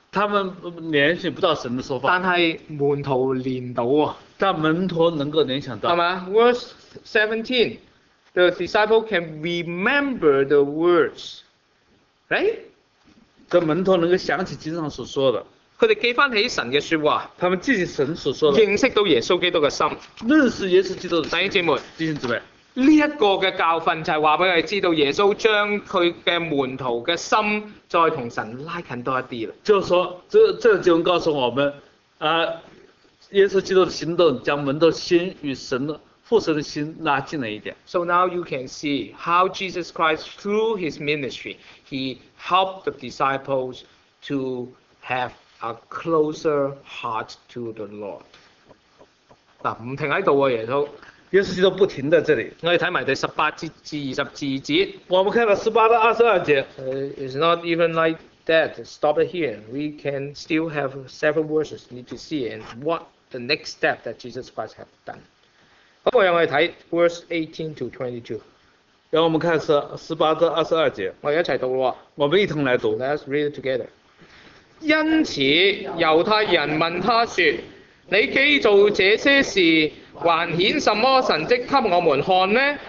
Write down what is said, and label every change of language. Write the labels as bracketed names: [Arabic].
[Chinese] 他们联想不到神的说法，但是门徒连到，但门徒能够联想到，是吗？ [English] Verse 17, the disciple can remember the words, right? [Chinese] 这门徒能够想起经上所说的，他们记起神的说话，他们记起神所说的，认识到耶稣基督的心，认识耶稣基督的心。弟兄姊妹，弟兄姊妹，这个的教训就是告诉我们知道耶稣将他的门徒的心再跟神拉近多一点了，就是说这个经文告诉我们耶稣基督的行动将门徒的心与神的父神的心拉近了一点。 [English] So now you can see how Jesus Christ through his ministry he helped the disciples to have a closer heart to the Lord. [Chinese] 不停在这里，耶稣耶稣基督不停在这里。我们看埋第十八节至二十二节。我们看到十八到二十二节。 [English] It's not even like that. Stop it here. We can still have several verses need to see and what the next step that Jesus Christ have done. [Chinese] 好，我们来看 [English] verse 18 to 22. [Chinese] 让我们看十八到二十二节。我一起读咯。我们一同来读。 [English] Let's read it together. [Chinese] 因此，犹太人问他说。你既做这些事，还显什么神迹给我们看呢？